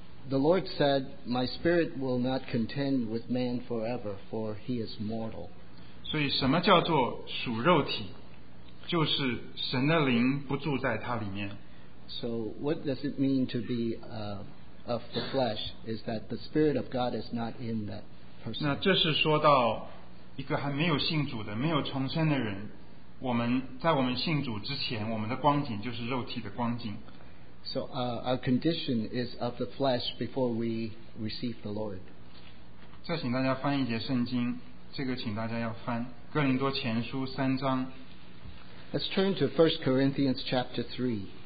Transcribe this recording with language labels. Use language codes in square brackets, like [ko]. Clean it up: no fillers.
[en] The Lord said, my spirit will not contend with man forever, for he is mortal. [zh] 所以什么叫做属肉体？就是神的灵不住在他里面。 [en] So what does it mean to be of the flesh? Is that the spirit of God is not in that person. [zh] 那这是说到一个还没有信主的，没有重生的人，我们在我们信主之前，我们的光景就是肉体的光景。 [en] So our condition is of the flesh before we receive the Lord. [zh] 再请大家翻一节圣经，这个请大家要翻哥林多前书三章。 [en] Let's turn to 1 Corinthians chapter 3.